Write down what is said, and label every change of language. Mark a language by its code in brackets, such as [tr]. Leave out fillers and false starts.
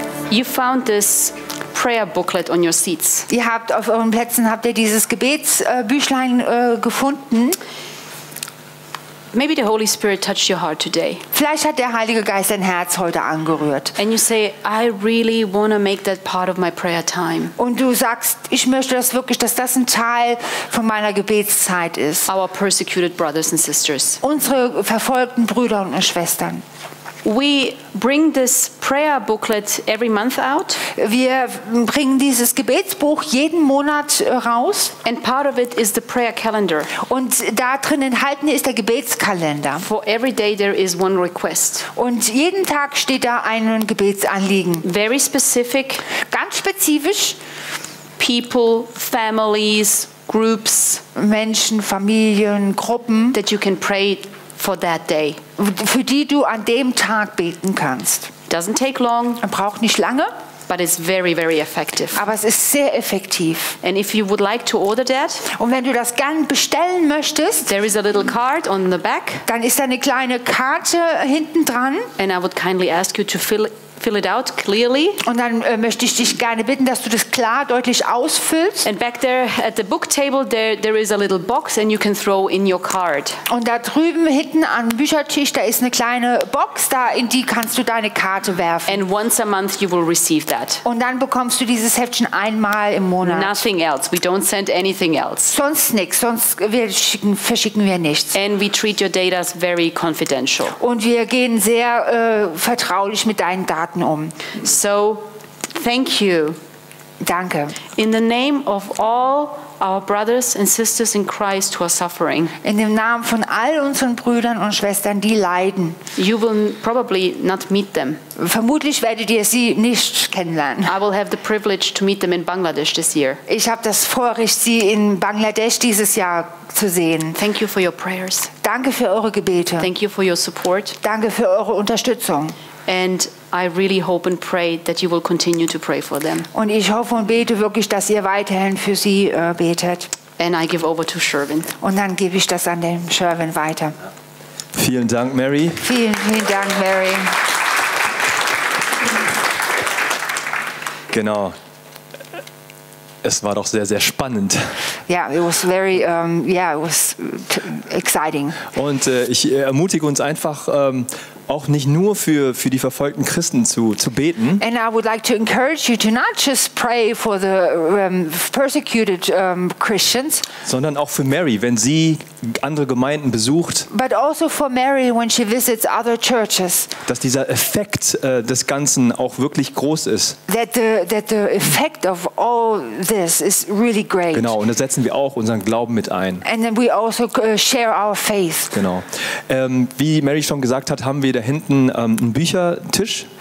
[en] You found this prayer booklet on your seats. [de] Ihr habt auf euren Plätzen habt ihr dieses Gebetsbüchlein gefunden. [en] Maybe the Holy Spirit touched your heart today. [de] Vielleicht hat der Heilige Geist dein Herz heute angerührt. [en] And you say, I really want to make that part of my prayer time. [de] Und du sagst, ich möchte das wirklich, dass das ein Teil von meiner Gebetszeit ist. [en] Our persecuted brothers and sisters. [de] Unsere verfolgten Brüder und Schwestern. [en] We bring this prayer booklet every month out. [de] Wir bringen dieses Gebetsbuch jeden Monat raus. [en] And part of it is the prayer calendar. [de] Und da drin enthalten ist der Gebetskalender. [en] For every day there is one request. [de] Und jeden Tag steht da ein Gebetsanliegen. [en] Very specific. [de] Ganz spezifisch. [en] People, families, groups. [de] Menschen, Familien, Gruppen. [en] That you can pray for that day. [de] Für die du an dem Tag beten kannst. [en] Doesn't take long. [de] Braucht nicht lange. [en] But it's very, very effective. [de] Aber es ist sehr effektiv. [en] And if you would like to order that, [de] und wenn du das gern bestellen möchtest, [en] there is a little card on the back. [de] Dann ist da eine kleine Karte hinten dran. [en] And I would kindly ask you to fill it out clearly. [de] Und dann möchte ich dich gerne bitten, dass du das klar, deutlich ausfüllst. [en] And back there at the book table, there is a little box, and you can throw in your card. [de] Und da drüben hinten am Büchertisch, da ist eine kleine Box, da in die kannst du deine Karte werfen. [en] And once a month you will receive that. [de] Und dann bekommst du dieses Heftchen einmal im Monat. [en] Nothing else. We don't send anything else. [de] Sonst nichts. Sonst verschicken wir nichts. [en] And we treat your data very confidential. [de] Und wir gehen sehr vertraulich mit deinen Daten. [en] So, thank you. [de] Danke. [en] In the name of all our brothers and sisters in Christ who are suffering. [de] In dem Namen von all unseren Brüdern und Schwestern, die leiden. [en] You will probably not meet them. [de] Vermutlich werdet ihr sie nicht kennenlernen. [en] I will have the privilege to meet them in Bangladesh this year. [de] Ich habe das Vorrecht, sie in Bangladesch dieses Jahr zu sehen. [en] Thank you for your prayers. [de] Danke für eure Gebete. [en] Thank you for your support. [de] Danke für eure Unterstützung. [en] And I really hope and pray that you will continue to pray for them. [de] Und ich hoffe und bete wirklich, dass ihr weiterhin für sie betet. [en] And I give over to Sherwin. [de] Und dann gebe ich das an den Sherwin weiter. Vielen Dank, Mary. Vielen, vielen Dank, Mary. Genau. Es war doch sehr, sehr spannend. [en] Yeah, it was exciting. [de] Und ich ermutige uns einfach, auch nicht nur für die verfolgten Christen zu beten. [en] And I would like to encourage you to not just pray for the persecuted Christians, [de] sondern auch für Mary, wenn sie andere Gemeinden besucht. [en] But also for Mary when she visits other churches. [de] Dass dieser Effekt des Ganzen auch wirklich groß ist. [en] That the effect of all this is really great. [de] Genau, und da setzen wir auch unseren Glauben mit ein. [en] And then we also share our faith. [de] Genau. Wie Mary schon gesagt hat, haben wir da hinten einen Büchertisch.